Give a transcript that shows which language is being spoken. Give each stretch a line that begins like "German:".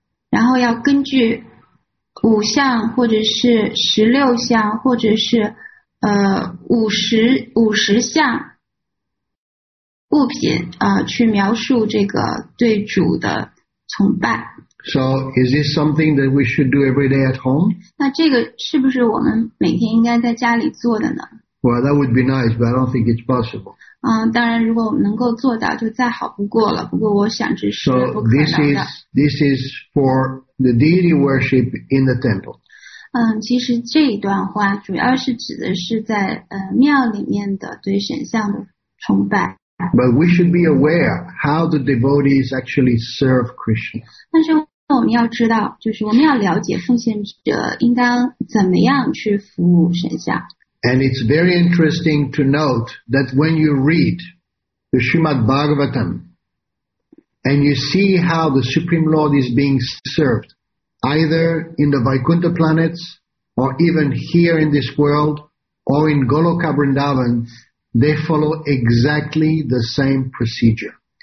Chinese: 然后要根据五项或者是十六项或者是五十项物品去描述这个对主的崇拜。
English: So is this something that we should do every day at home?
Chinese: 那这个是不是我们每天应该在家里做的呢？
English: Well, that would be nice, but I don't think it's possible.
Chinese: 当然如果我们能够做到就再好不过了，不过我想这是不可能的。
English: So this is for the deity worship in the temple.
Chinese: 其实这一段话主要是指的是在庙里面的对神像的崇拜。
English: But we should be aware how the devotees actually serve Krishna.
Chinese: 但是我们要知道，就是我们要了解奉献者应当怎么样去服务神像。
English: And it's very interesting to note that when you read the Srimad Bhagavatam and you see how the Supreme Lord is being served, either in the Vaikuntha planets or even here in this world or in Goloka Vrindavan, they follow exactly the same procedure.